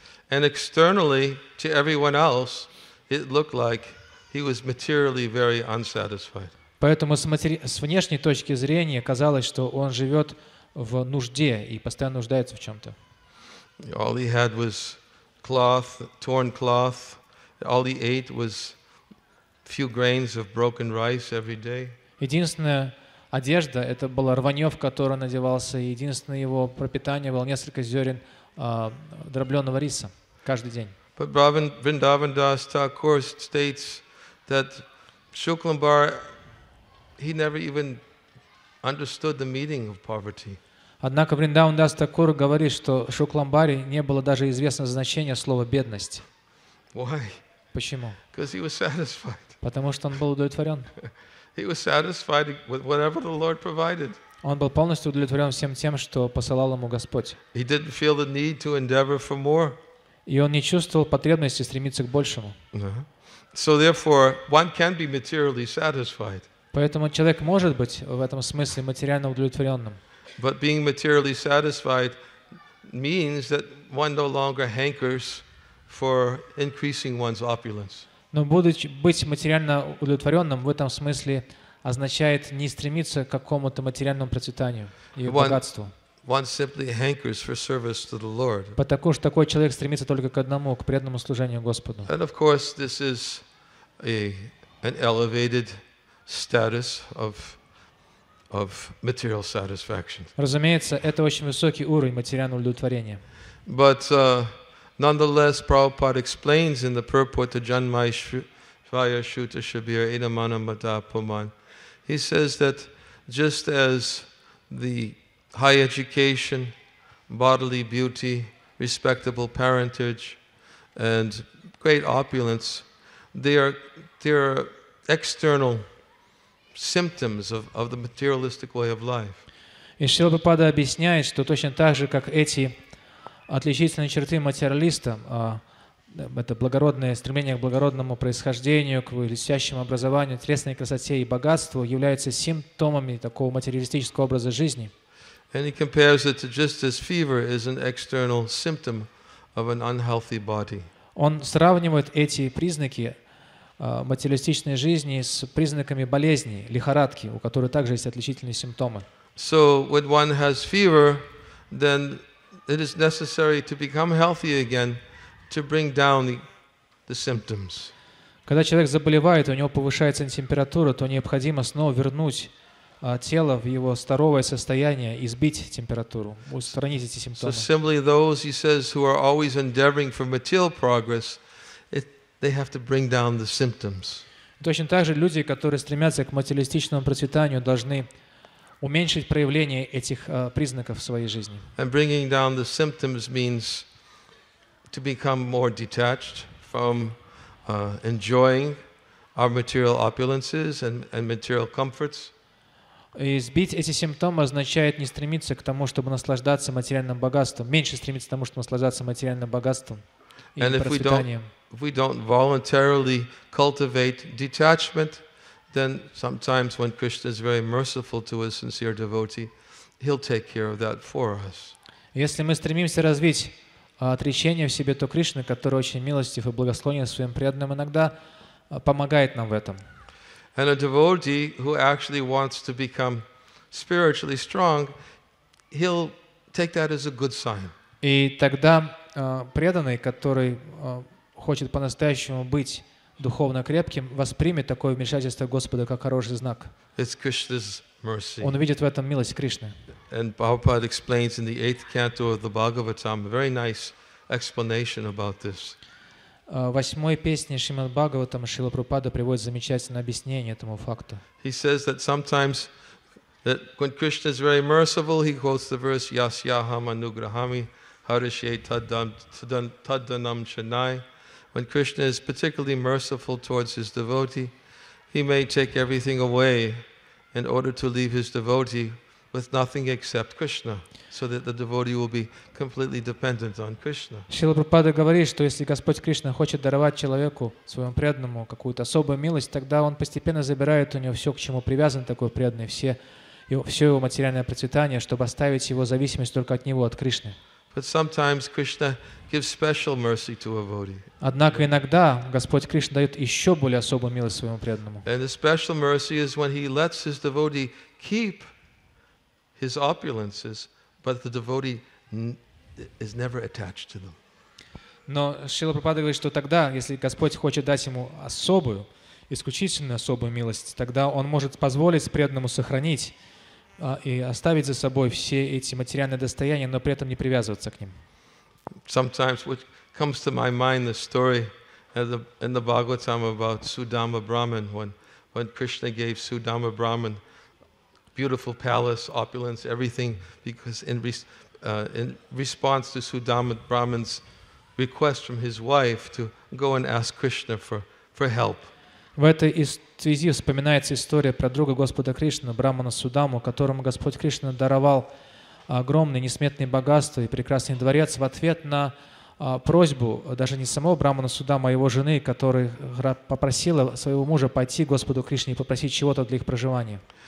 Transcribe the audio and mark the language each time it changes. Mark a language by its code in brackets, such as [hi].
[en] And externally to everyone else, it looked like he was materially very unsatisfied. [ru] Поэтому с внешней точки зрения казалось, что он живет в нужде и постоянно нуждается в чем-то. [en] All he had was cloth, torn cloth. All he ate was few grains of broken rice every day. [ru] Единственная одежда – это была рванье, в которое он одевался, и единственное его пропитание было несколько зерен дробленого риса каждый день. [en] But Vrindavan Das Thakur states that Shuklambar, he never even understood the meaning of poverty. [ru] Однако Vrindavan Das Thakur говорит, что Шукламбаре не было даже известно значение слова бедность. [en] Why? [ru] Почему? [en] Because he was satisfied. [ru] Потому что он был удовлетворен. [en] He was satisfied with whatever the Lord provided. [ru] Он был полностью удовлетворен всем тем, что посылал ему Господь. [en] He didn't feel the need to endeavor for more. [ru] И он не чувствовал потребности стремиться к большему. [en] So therefore, one can be materially satisfied. [ru] Поэтому человек может быть в этом смысле материально удовлетворенным. [en] But being materially satisfied means that one no longer hankers for increasing one's opulence. [ru] Но быть материально удовлетворенным в этом смысле означает не стремиться к какому-то материальному процветанию и богатству. [en] One simply hankers for service to the Lord. [ru] Потому что такой человек стремится только к одному, к преданному служению Господу. [en] And of course, this is an elevated status of material satisfaction. [ru] Разумеется, это очень высокий уровень материального удовлетворения. [en] But nonetheless, Prabhupada explains in the purport to [sa] Janmaishvaya Shuta Shabir Inamana Mata Puman. [en] He says that just as the high education, bodily beauty, respectable parentage, and great opulence, they are external symptoms of the materialistic way of life. [ru] И Шрила Прабхупада объясняет, что точно так же, как эти отличительные черты материалиста, это благородное стремление к благородному происхождению, к блестящему образованию, телесной красоте и богатству, являются симптомами такого материалистического образа жизни. [en] And he compares it to just as fever is an external symptom of an unhealthy body. [ru] Он сравнивает эти признаки материалистичной жизни с признаками болезни, лихорадки, у которой также есть отличительные симптомы. [en] So when one has fever, then it is necessary to become healthy again to bring down the symptoms. [ru] Когда человек заболевает, у него повышается температура, то необходимо снова вернуть тело в его здоровое состояние и сбить температуру, устранить эти симптомы. [en] So similarly, those, he says, who are always endeavoring for material progress, they have to bring down the symptoms. [ru] Точно так же люди, которые стремятся к материалистичному процветанию, должны уменьшить проявление этих признаков в своей жизни. [en] And bringing down the symptoms means to become more detached from enjoying our material opulences and material comforts. [ru] И сбить эти симптомы означает не стремиться к тому, чтобы наслаждаться материальным богатством, меньше стремиться к тому, чтобы наслаждаться материальным богатством и процветанием. [en] If we don't voluntarily cultivate detachment, then sometimes when Krishna is very merciful to a sincere devotee, he'll take care of that for us. [ru] Если мы стремимся развить отречение в себе, то Кришна, который очень милостив и благосклонен своим преданным, иногда помогает нам в этом. [en] And a devotee who actually wants to become spiritually strong, he'll take that as a good sign. [ru] И тогда преданный, который хочет по-настоящему быть духовно крепким, воспримет такое вмешательство Господа как хороший знак. [en] It's Krishna's mercy. [ru] Он видит в этом милость Кришны. [en] And Prabhupada explains in the eighth canto of the Bhagavatam a very nice explanation about this. [ru] В восьмой песне Шримад Бхагаватам Шрила Прабхупада приводит замечательное объяснение этому факту. [en] He says that sometimes that when Krishna is very merciful, he quotes the verse [sa] Yasyaham Anugrahami Harishe Taddanam Chanai. [en] When Krishna is particularly merciful towards his devotee, he may take everything away in order to leave his devotee with nothing except Krishna, so that the devotee will be completely dependent on Krishna. [ru] Шрила Прабхупада говорит, что если Господь Кришна хочет даровать человеку, своему преданному, какую-то особую милость, тогда он постепенно забирает у него все, к чему привязан такой преданный, все его материальное процветание, чтобы оставить его зависимость только от него, от Кришны. [en] But sometimes Krishna gives special mercy to a devotee. [ru] Однако иногда Господь Кришна дает еще более особую милость своему преданному. [en] And the special mercy is when he lets his devotee keep his opulences, but the devotee is never attached to them. [ru] Но Шрила Прабхупада говорит, что тогда, если Господь хочет дать ему особую исключительно особую милость, тогда он может позволить преданному сохранить и оставить за собой все эти материальные достояния, но при этом не привязываться к ним. [en] Sometimes what comes to my mind the story in the Bhagavatam about Sudama Brahman, when Krishna gave Sudama Brahman beautiful palace, opulence, everything, because in response to Sudama Brahman's request from his wife to go and ask Krishna for help. [ru] В этой связи вспоминается история про друга Господа Кришны, Брахмана Судаму, которому Господь Кришна даровал огромные несметные богатства и прекрасный дворец в ответ на просьбу даже не самого Брахмана Судама, а его жены, которая попросила своего мужа пойти к Господу Кришне и попросить чего-то для их проживания.